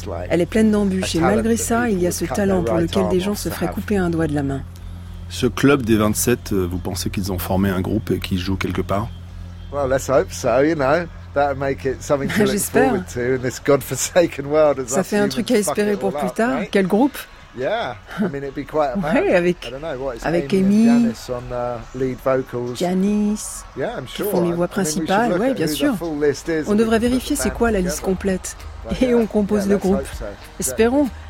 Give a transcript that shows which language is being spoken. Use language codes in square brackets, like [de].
[fr] Elle est pleine d'embûches et malgré ça, il y a ce talent pour lequel des gens se feraient couper un doigt de la main. Ce club des 27, vous pensez qu'ils ont formé un groupe et qu'ils jouent quelque part? [en] Well, let's hope so, you know. That would make it something to look forward to in this godforsaken world. [fr] Ça fait un truc à espérer pour plus tard. Quel groupe? [en] Yeah, I mean it'd be quite amazing. [fr] Ouais, avec [en] Amy, Janis on lead vocals. Janis. Yeah, I'm sure. [fr] Qui font les voix principales, ouais, bien sûr. On devrait vérifier c'est quoi la liste complète et on compose le groupe. Espérons.